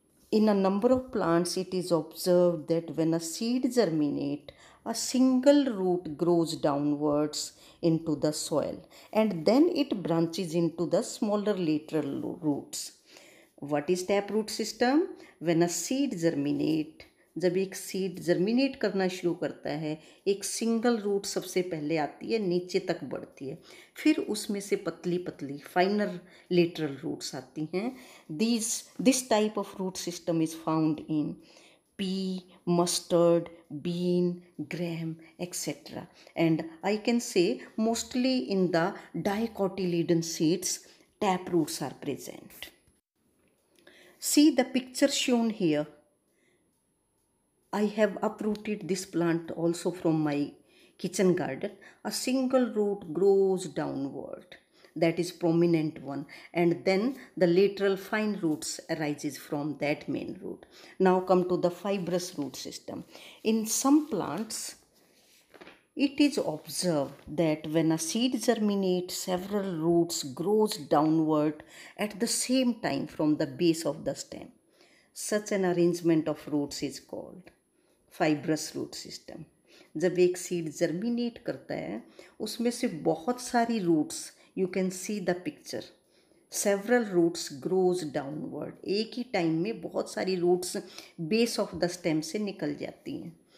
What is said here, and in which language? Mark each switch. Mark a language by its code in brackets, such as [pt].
[en] In a number of plants, it is observed that when a seed germinates, a single root grows downwards into the soil and then it branches into the smaller lateral roots. What is tap root system? When a seed germinates, [hi] जब एक seed germinate करना शुरू करता है, एक single root सबसे पहले आती है, नीचे तक बढ़ती है, फिर उसमें से पतली पतली फाइनर लेटरल रूट्स आती हैं. [en] This type of root system is found in pea, mustard, bean, gram, etcetera, and I can say mostly in the dicotyledon seeds tap roots are present. See the picture shown here. I have uprooted this plant also from my kitchen garden. A single root grows downward. That is prominent one. And then the lateral fine roots arises from that main root. Now come to the fibrous root system. In some plants, it is observed that when a seed germinates, several roots grows downward at the same time from the base of the stem. Such an arrangement of roots is called fibrous root system. [hi] जब एक seed germinate करता है, उसमें से बहुत सारी roots, [en] you can see the picture, several roots grows downward, [hi] एक ही time में बहुत सारी roots base of the stem से निकल जाती हैं.